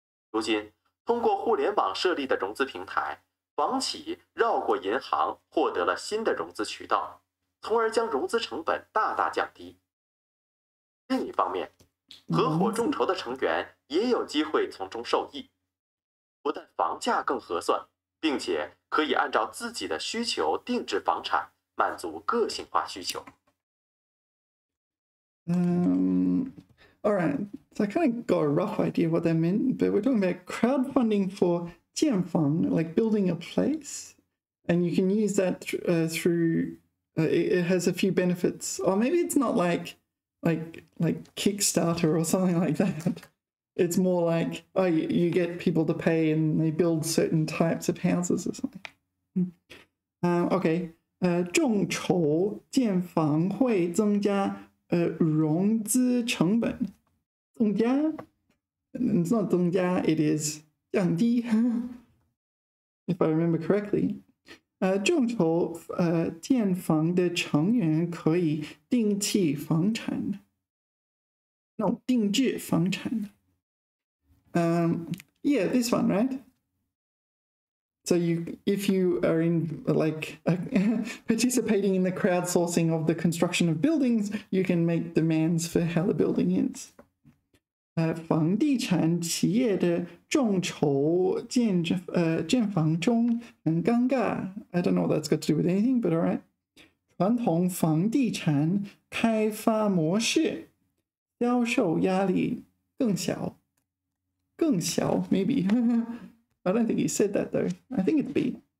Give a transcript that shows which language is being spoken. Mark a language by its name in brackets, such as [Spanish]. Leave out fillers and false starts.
[Chinese] 如今，通过互联网设立的融资平台，房企绕过银行获得了新的融资渠道，从而将融资成本大大降低。另一方面，合伙众筹的成员也有机会从中受益，不但房价更合算，并且可以按照自己的需求定制房产，满足个性化需求。 [English] All right, so I kind of got a rough idea what that meant, but we're talking about crowdfunding for 建房, like building a place, and you can use that through, it has a few benefits, or maybe it's not like Kickstarter or something like that. It's more like, oh, you get people to pay and they build certain types of houses or something. Okay. [Chinese] 众筹建房会增加融资成本。增加? [English] It's not 增加, it is 降低, if I remember correctly. [Chinese] 众筹建房的成员可以定期房产。 [English] No, [Chinese] 定制房产. [English] Yeah, this one, right? So if you are in like participating in the crowdsourcing of the construction of buildings, you can make demands for how the building is. [Chinese] 房地产企业的众筹建房中很尴尬. [English] I don't know what that's got to do with anything, but all right. [Chinese] 传统房地产开发模式销售压力更小，更小 ，maybe. [English] I don't think he said that though. I think it's B.